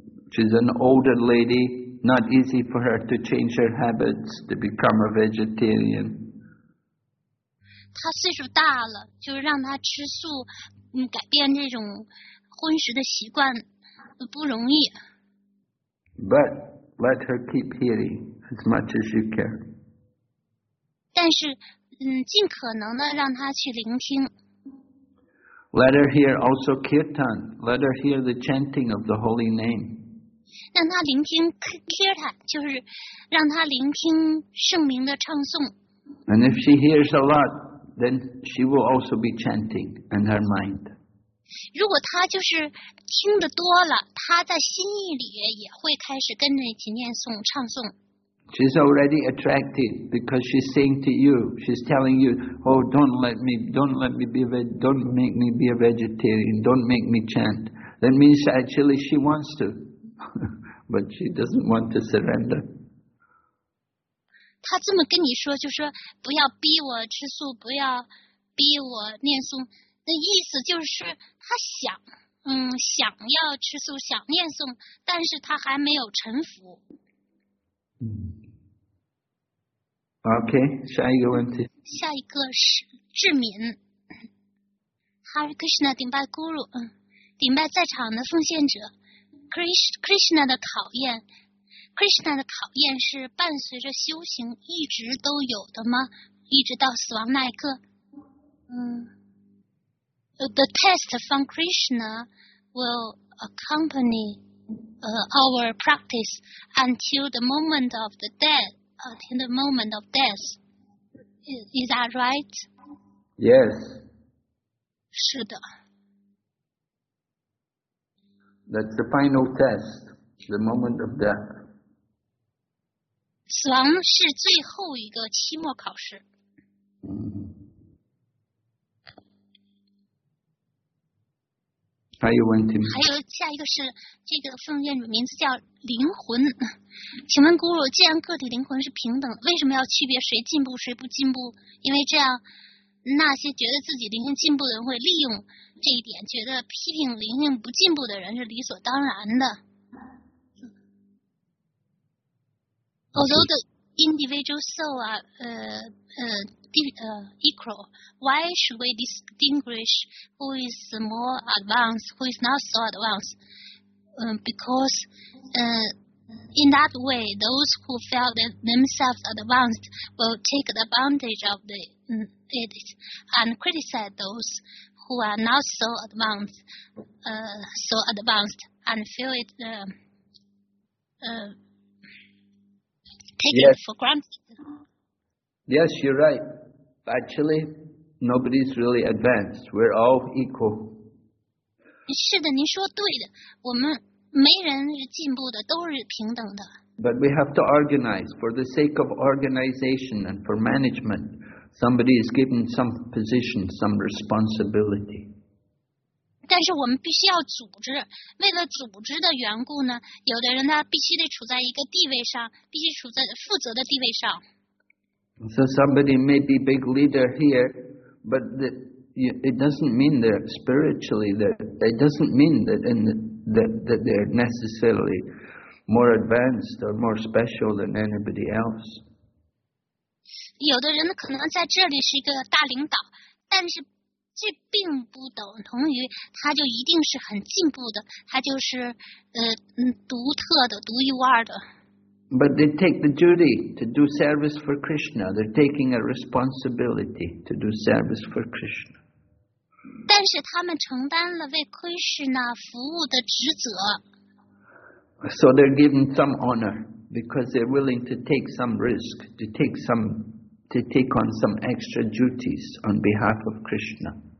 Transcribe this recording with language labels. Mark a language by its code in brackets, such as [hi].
[en] She's an older lady, not easy for her to change her habits to become a vegetarian. [zh] 她岁数大了，就是让她吃素，改变这种荤食的习惯不容易。 [en] But. Let her keep hearing as much as you can. [zh] 但是，尽可能的让她去聆听。 [en] Let her hear also kirtan. Let her hear the chanting of the holy name. [zh] 让她聆听 kirtan， 就是让她聆听圣名的唱诵。 [en] And if she hears a lot, then she will also be chanting in her mind. [zh] 如果他就是听得多了，他在心意里也会开始跟着一起念诵、唱诵。 [en] She's already attracted because she's saying to you, she's telling you, oh, don't make me be a vegetarian, don't make me chant. That means actually she wants to, but she doesn't want to surrender. [zh] 他这么跟你说，就是不要逼我吃素，不要逼我念诵。那意思就是他想，想要吃素，想念诵，但是他还没有臣服。 OK， 下一个问题。下一个是智敏 ，Hare Krishna， 顶拜 Guru， 顶拜在场的奉献者 ，Krishna 的考验 ，Krishna 的考验是伴随着修行一直都有的吗？一直到死亡那一刻， [en] The test from Krishna will accompany our practice until the moment of the death. Until the moment of death, is that right? Yes. [zh] 是的。 [en] That's the final test, the moment of death. [zh] 死亡是最后一个期末考试。还有问题吗？还有下一个是这个分院的名字叫灵魂。请问咕噜，既然个体灵魂是平等，为什么要区别谁进步谁不进步？因为这样那些觉得自己灵魂进步的人会利用这一点，觉得批评灵魂不进步的人是理所当然的。 [en] Although the individual soul are equal, why should we distinguish who is more advanced, who is not so advanced? Because in that way, those who felt that themselves advanced will take the advantage of the, it and criticize those who are not so advanced, and feel it taken for granted. Yes, you're right. Actually, nobody's really advanced. We're all equal. [zh] 是的，您说对的。我们没人是进步的，都是平等的。 [en] But we have to organize for the sake of organization and for management. Somebody is given some position, some responsibility. [zh] 但是我们必须要组织，为了组织的缘故呢，有的人呢必须得处在一个地位上，必须处在负责的地位上。 [en] So somebody may be big leader here, but it doesn't mean they're spiritually, it doesn't mean that they're necessarily more advanced or more special than anybody else. [zh] 有的人可能在这里是一个大领导，但是这并不等同于他就一定是很进步的，他就是独特的，独一无二的。 [en] But they take the duty to do service for Krishna. They're taking a responsibility to do service for Krishna. [zh] 但是他们承担了为 Krishna 服务的职责。 [en] So they're given some honor because they're willing to take some risk, to take on some extra duties on behalf of Krishna.